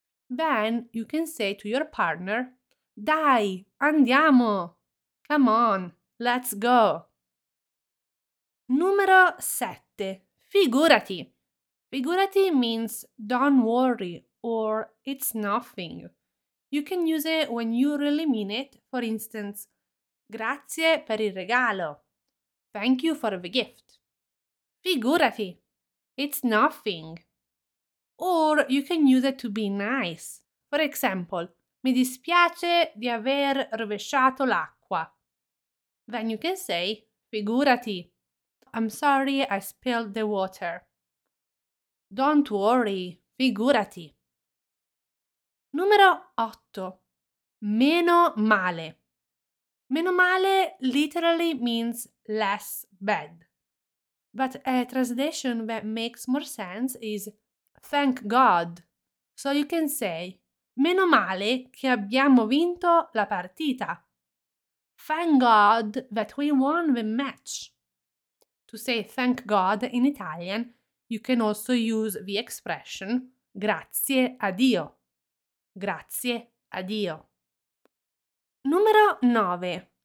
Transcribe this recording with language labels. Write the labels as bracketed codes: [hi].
[en] Then you can say to your partner, [it] Dai, andiamo! [en] Come on, let's go! [it] Numero 7. [en] Figurati. Figurati means don't worry or it's nothing. You can use it when you really mean it. For instance, [it] grazie per il regalo. [en] Thank you for the gift. Figurati. It's nothing. Or you can use it to be nice. For example, [it] mi dispiace di aver rovesciato l'acqua. [en] Then you can say, figurati. I'm sorry I spilled the water. Don't worry, figurati. [it] Numero 8. Meno male. [en] Meno male literally means less bad. But a translation that makes more sense is thank God. So you can say, [it] meno male che abbiamo vinto la partita. [en] Thank God that we won the match. To say thank God in Italian, you can also use the expression [it] grazie a Dio. Grazie a Dio. Numero 9.